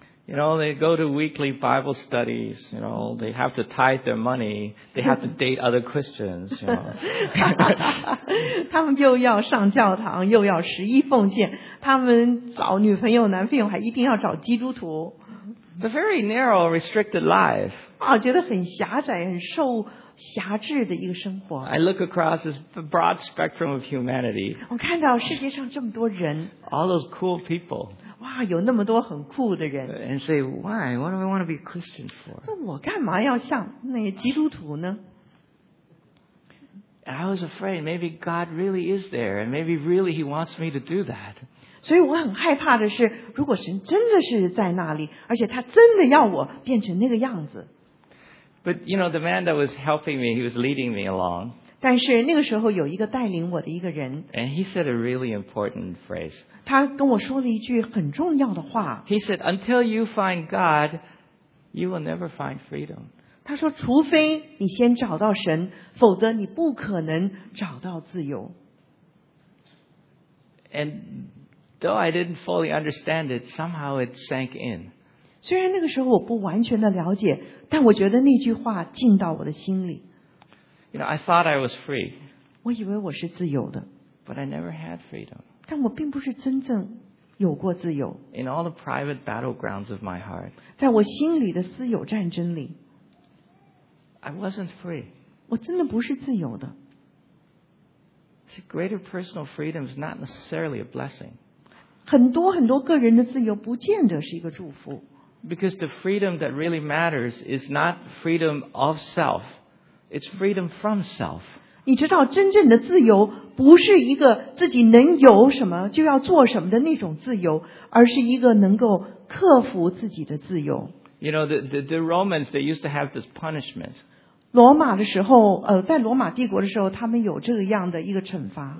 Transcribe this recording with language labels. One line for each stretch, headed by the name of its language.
English: You know, they go to weekly Bible studies. You know, they have to tithe their money. They have to date other Christians. You know.
Chinese: 他们又要上教堂，又要十一奉献。他们找女朋友、男朋友，还一定要找基督徒。
English: It's a very narrow, restricted life.
Chinese: 我觉得很狭窄，很瘦。狭制的一个生活。
English: I look across this broad spectrum of humanity.
Chinese: 我看到世界上这么多人。
English: All those cool people.
Chinese: 哇，有那么多很酷的人。
English: And say, why? What do I want to be a Christian for?
Chinese: 那我干嘛要像那些基督徒呢
English: ？I was afraid maybe God really is there, and maybe really He wants me to do that.
Chinese: 所以我很害怕的是，如果神真的是在那里，而且他真的要我变成那个样子。
English: But you know, the man that was helping me, he was leading me along.
Chinese: 但是那个时候有一个带领我的一个人。
English: And he said a really important phrase.
Chinese: 他跟我说了一句很重要的话。
English: He said, "Until you find God, you will never find freedom."
Chinese: 他说，除非你先找到神，否则你不可能找到自由。
English: And though I didn't fully understand it, somehow it sank in.
Chinese: 虽然那个时候我不完全的了解，但我觉得那句话进到我的心里。
English: You know, I thought I was free.
Chinese: 我以为我是自由的。
English: But I never had freedom.
Chinese: 但我并不是真正有过自由。
English: In all the private battlegrounds of my heart.
Chinese: 在我心里的私有战争里。
English: I wasn't free.
Chinese: 我真的不是自由的。
English: See, greater personal freedom is not necessarily a blessing.
Chinese: 很多很多个人的自由不见得是一个祝福。
English: Because the freedom that really matters is not freedom of self. It's freedom from self.
Chinese: 你知道真正的自由不是一个自己能有什么就要做什么的那种自由，而是一个能够克服自己的自由。
English: You know, the Romans, they used to have this punishment.
Chinese: 罗马的时候，在罗马帝国的时候，他们有这样的一个惩罚。